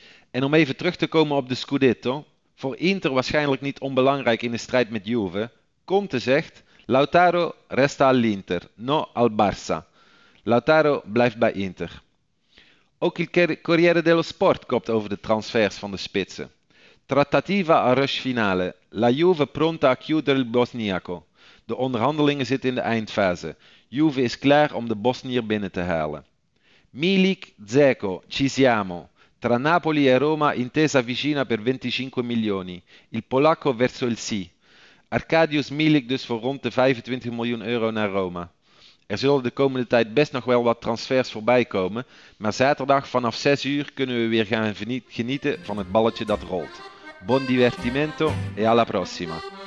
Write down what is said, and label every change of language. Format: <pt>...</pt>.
<nl>En om even terug te komen op de Scudetto, voor Inter waarschijnlijk niet onbelangrijk in de strijd met Juve...</nl> <it>Conte zegt, Lautaro resta all'Inter, no al Barça.</it> <nl>Lautaro blijft bij Inter. Ook il Corriere dello Sport kopt over de transfers van de spitsen.</nl> <it>Trattativa a rush finale, la Juve pronta a chiudere il Bosniaco.</it> <nl>De onderhandelingen zitten in de eindfase. Juve is klaar om de Bosnier binnen te halen.</nl> <it>Milik, Dzeko, ci siamo. Tra Napoli e Roma intesa vicina per 25 milioni. Il Polacco verso il sì.</it> <nl>Arkadiusz Milik dus voor rond de 25 miljoen euro naar Roma. Er zullen de komende tijd best nog wel wat transfers voorbij komen, maar zaterdag vanaf 6 uur kunnen we weer gaan genieten van het balletje dat rolt.</nl> <it>Buon divertimento e alla prossima!</it>